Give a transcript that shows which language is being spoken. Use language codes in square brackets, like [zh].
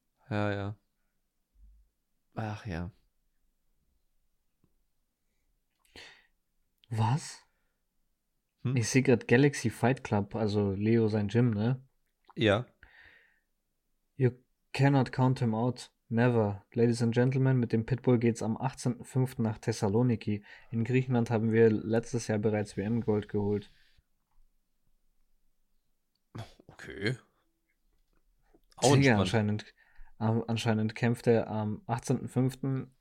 [de] Ja. Ach ja. Was? Ich sehe gerade Galaxy Fight Club, also Leo sein Gym, ne? Ja. [en] You cannot count him out. Never. Ladies and Gentlemen, [de] mit dem Pitbull geht's am 18.05. nach Thessaloniki. In Griechenland haben wir letztes Jahr bereits WM-Gold geholt. Okay. Auch Digga, entspannt. anscheinend kämpft er am 18.05.